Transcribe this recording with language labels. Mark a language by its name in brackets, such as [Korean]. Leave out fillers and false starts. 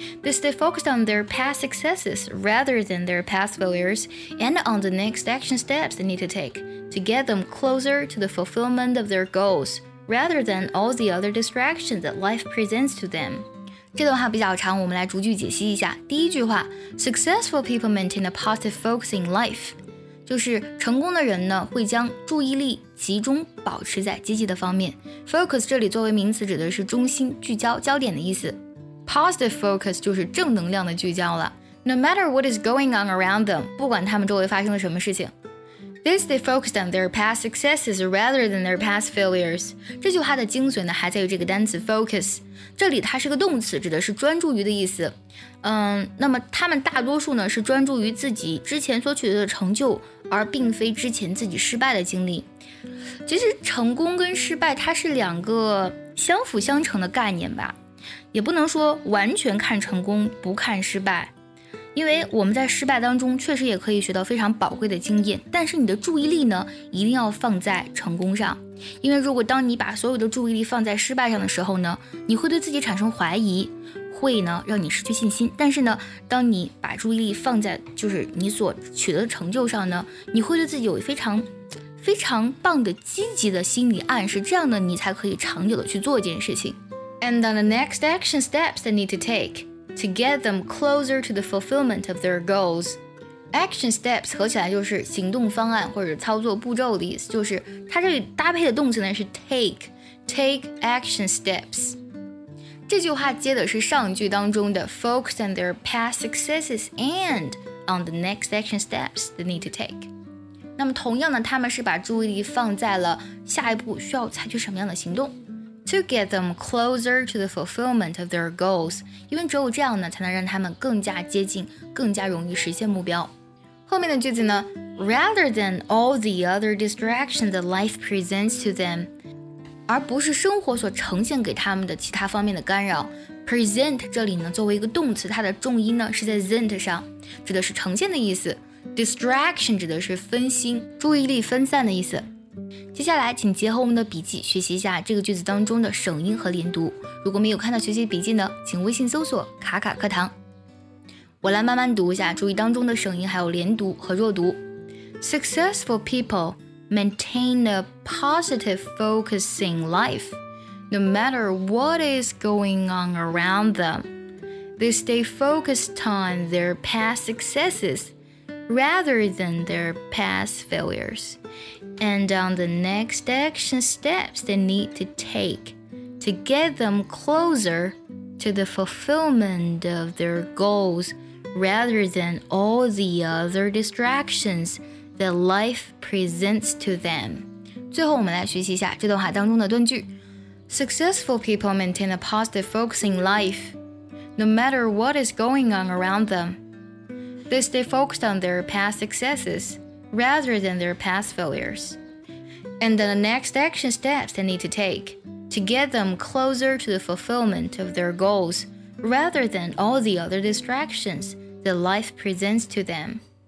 [English] They stay focused on their past successes rather than their past failures and on the next action steps they need to take to get them closer to the fulfillment of their goals rather than all the other distractions that life presents to them. [Chinese] 这段话比较长，我们来逐句解析一下。第一句话 , [English] Successful people maintain a positive focus in life, [Chinese] 就是成功的人呢会将注意力集中保持在积极的方面。 Focus 这里作为名词指的是中心、聚焦、焦点的意思。 Positive focus 就是正能量的聚焦了。 [English] No matter what is going on around them, [Chinese] 不管他们周围发生了什么事情。 [English] They stay focused on their past successes rather than their past failures. [Chinese] 这句话的精髓呢还在于这个单词 focus。这里它是个动词指的是专注于的意思。那么他们大多数呢是专注于自己之前所取得的成就而并非之前自己失败的经历。其实成功跟失败它是两个相辅相成的概念吧。也不能说完全看成功不看失败。因为我们在失败当中确实也可以学到非常宝贵的经验，但是你的注意力呢，一定要放在成功上。因为如果当你把所有的注意力放在失败上的时候呢，你会对自己产生怀疑，会呢让你失去信心。但是呢，当你把注意力放在就是你所取得的成就上呢，你会对自己有非常非常棒的积极的心理暗示，这样呢，你才可以长久的去做一件事情。 [English] And on the next action steps they need to takeTo get them closer to the fulfillment of their goals. [Chinese] Action steps 合起来就是行动方案或者操作步骤的意思，就是它这里搭配的动词呢是 take [English] action steps. [Chinese] 这句话接的是上句当中的 [English] focus on their past successes and on the next action steps they need to take. [Chinese] 那么同样呢，他们是把注意力放在了下一步需要采取什么样的行动。 [English] To get them closer to the fulfillment of their goals. [Chinese] 因为只有这样呢，才能让他们更加接近，更加容易实现目标。后面的句子呢 [English] ,Rather than all the other distractions that life presents to them. [Chinese] 而不是生活所呈现给他们的其他方面的干扰。 Present 这里呢，作为一个动词，它的重音呢是在 zent 上，指的是呈现的意思。 Distraction 指的是分心，注意力分散的意思。接下来请结合我们的笔记学习一下这个句子当中的省音和连读。如果没有看到学习笔记呢，请微信搜索卡卡课堂。我来慢慢读一下，注意当中的省音还有连读和弱读。 [English] Successful people maintain a positive focus in life, no matter what is going on around them. They stay focused on their past successes rather than their past failures. And on the next action steps they need to take to get them closer to the fulfillment of their goals rather than all the other distractions that life presents to them. [Chinese] 最后我们来学习一下这段话当中的断句。 [English] Successful people maintain a positive focus in life, no matter what is going on around them. They stay focused on their past successes. Rather than their past failures. And the next action steps they need to take to get them closer to the fulfillment of their goals rather than all the other distractions that life presents to them.